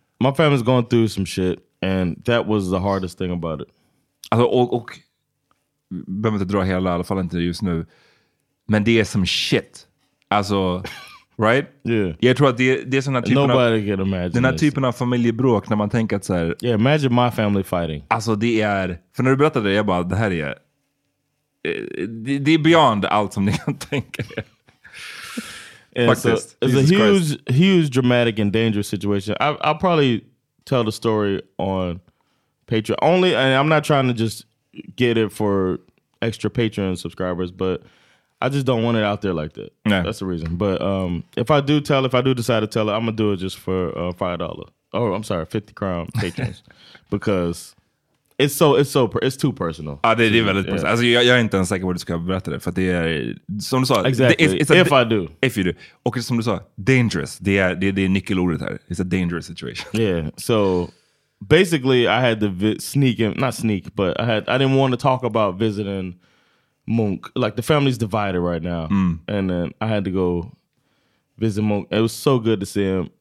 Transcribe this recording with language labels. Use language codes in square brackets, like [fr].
[en] My family's going through some shit. And that was the hardest thing about it. [sv] Alltså, och behöver inte dra hela, i alla fall inte just nu. Men det är [en] some shit. [sv] Alltså, [en] right? Yeah. [sv] Jag tror att det är sådana typen [en] nobody [sv] av... [en] Nobody can imagine [sv] den här typen av familjebråk när man tänker att så här... [en] Yeah, imagine my family fighting. [sv] Alltså, det är... För när du berättade det, jag bara, det här är... Det är [en] beyond [sv] allt som ni kan tänka er. [en] It's a huge, Christ. Huge, dramatic and dangerous situation. I'll probably tell the story on Patreon only, and I'm not trying to just get it for extra Patreon subscribers, but I just don't want it out there like that. Nah. That's the reason. But if I do decide to tell it, I'm gonna do it just for $5. Oh, I'm sorry, 50 crown patrons, because it's too personal. [sv] Ah, det är väldigt personal. Alltså, jag är inte ens säker på att du ska berätta det, för att det är, som du sa, [en] exactly. If you do. [sv] Och som du sa, [en] dangerous. [sv] Det är nyckelordet här. [en] It's a dangerous situation. Yeah, so basically I had to sneak in, but I didn't want to talk about visiting Munk. Like, the family's divided right now. Mm. And then I had to go visit Munk. It was so good to see him.